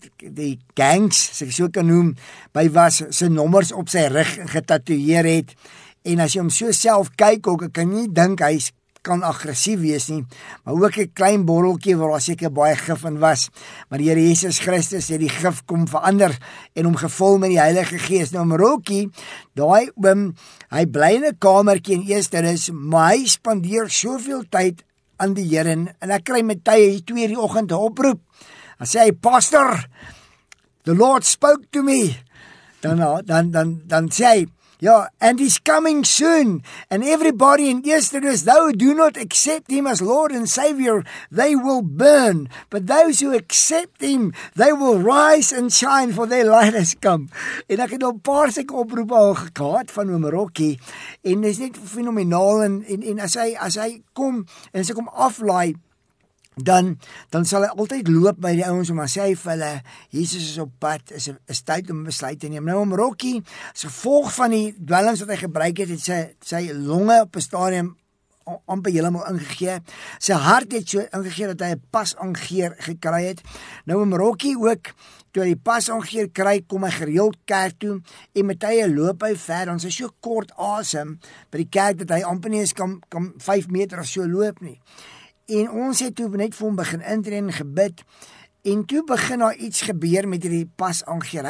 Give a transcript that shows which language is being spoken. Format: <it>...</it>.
<af>die gangs, as ek so kan noem, by was sy nommers op sy rug getatoeëer het en as jy hom so self kyk ook, ek kan nie dink hy kan aggressief wees nie, maar ook 'n klein borreltjie waar daar seker baie gif in was. Maar die Here Jesus Christus het die gif kom verander en hom gevul met die Heilige Gees. Nou om Rocky, daai oom, hy bly in 'n kamertjie en eers maar hy spandeer soveel tyd aan die Here en ek kry met tye hier 2:00 die oggend 'n oproep. Dan sê hy:</af> <en>"Pastor, the Lord spoke to me."</en> <af>Dan sê hy: "Ja,</af> <en>and he's coming soon. And everybody in Easterus, though do not accept him as Lord and Savior, they will burn. But those who accept him, they will rise and shine, for their light has come."</en> <af>En ek het al 'n paar seker oproepe al gehad van oom Rocky. En dit is net fenomenaal. En as hy kom, en as hy kom aflaai, dan sal hy altyd loop by die ouens om aan sê vir hulle, Jesus is op pad, is tyd om besluit te neem. Nou om Rocky, as gevolg van die dwelms wat hy gebruik het, het sy longe op 'n stadium amper helemaal ingegee. Sy hart het so ingegee dat hy 'n pasongeer gekry het. Nou om Rocky ook, toe hy die pasongeer kry, kom hy gereeld kerk toe en met hy loop hy ver, dan sy so kort asem by die kerk dat hy amper nie kan 5 meter of so loop nie. En ons het toe net vir hom begin intree en gebid. En toe begin daar iets gebeur met die pasangeer.</af>